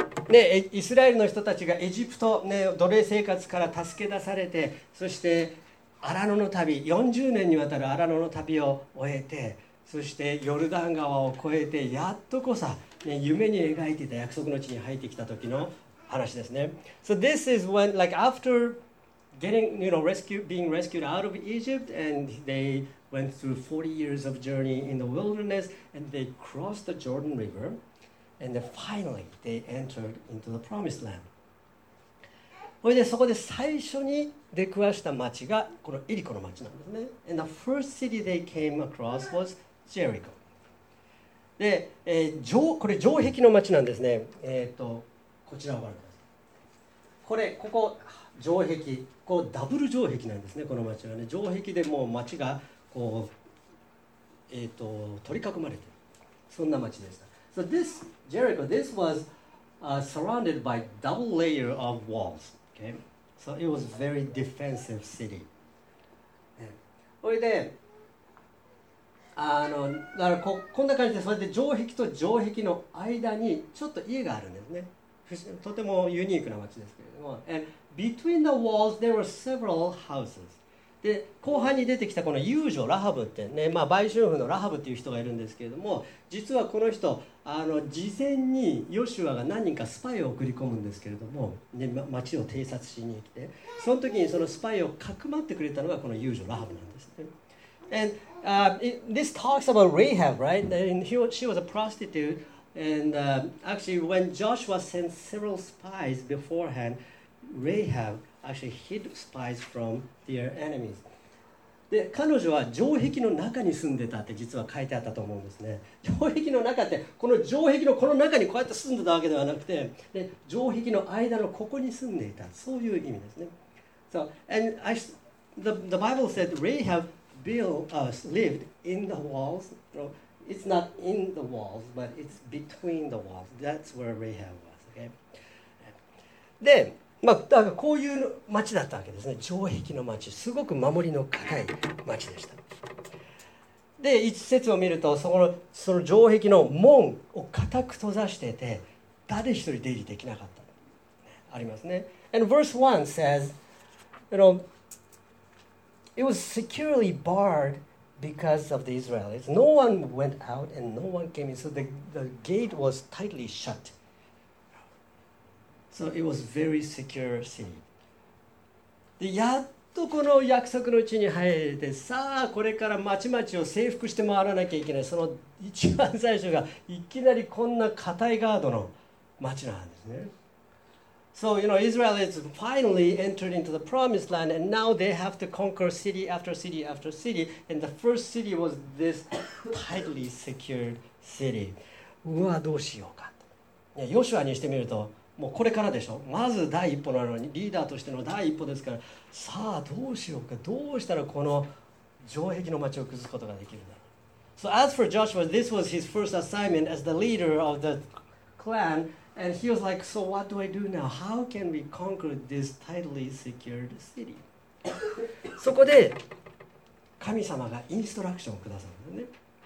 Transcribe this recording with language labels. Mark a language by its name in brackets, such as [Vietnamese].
[Japanese] ね、イスラエルの人たちがエジプト、ね、奴隷生活から助け出されて、そしてアラノの旅、40年にわたるアラノの旅を終えて、そしてヨルダン川を越えて、やっとこさ、ね、夢に描いていた約束の地に入ってきた時の話ですね。 [English] So this is when, like, after getting, you know, rescued, being rescued out of Egypt, and they went through 40 years of journey in the wilderness, and they crossed the Jordan River, and then finally they entered into the Promised Land. [Japanese] それでそこで最初に出くわした町がこのエリコの町なんですね。 [English] And the first city they came across was Jericho. [Japanese] で、これ城壁の町なんですね。こちらをご覧ください。これここ城壁、こうダブル城壁なんですね、この町はね。城壁でもう町がこう、取り囲まれてる、そんな町でした。 [English] So this Jericho, this was surrounded by double layer of walls. Okay, so it was a very defensive city. [Japanese] それで、だから こんな感じで、それで城壁と城壁の間にちょっと家があるんですね。とてもユニークな町ですけれども。 [English] And between the walls there were several houses. [Japanese] で、後半に出てきたこの遊女ラハブってね、まあ、売春婦のラハブっていう人がいるんですけれども、実はこの人、事前にヨシュアが何人かスパイを送り込むんですけれども、ね、町を偵察しに来て、その時にそのスパイをかくまってくれたのがこの遊女ラハブなんですね。 [English] And this talks about Rahab, right? And she was a prostitute. And actually, when Joshua sent several spies beforehand, Rahab actually hid spies from their enemies. [Japanese] で、彼女は城壁の中に住んでたって実は書いてあったと思うんですね。城壁の中って、この城壁のこの中にこうやって住んでたわけではなくて、で、城壁の間のここに住んでいた、そういう意味ですね。 [English] So, and the Bible said Rahab lived in the walls. So, it's not in the walls, but it's between the walls. That's where Rahab was. Okay. [Japanese] で、まあ、だからこういう町だったわけですね。城壁の町、すごく守りの高い町でした。で、一節を見ると、その城壁の門を固く閉ざしてて、誰一人出入りできなかった。ありますね。 [English] And verse 1 says, you know, it was securely barred. Because of the Israelites, no one went out and no one came in. So the gate was tightly shut. So it was very secure city. [Japanese] で、やっとこの約束の地に入れて、さあこれから町々を征服して回らなきゃいけない。その一番最初がいきなりこんな固いガードの町なんですね。 [English] So, you know, Israelites finally entered into the promised land, and now they have to conquer city after city after city, and the first city was this tightly secured city. [Japanese] うわ、どうしようか。いや、ヨシュアにしてみると、もうこれからでしょ。まず第一歩なのに、リーダーとしての第一歩ですから、さあどうしようか。どうしたらこの城壁の町を崩すことができるんだろう。 [English] So as for Joshua, this was his first assignment as the leader of the clan,And he was like, so what do I do now? How can we conquer this tightly secured city? [Japanese] そこで神様がインストラクションをくださるんですね。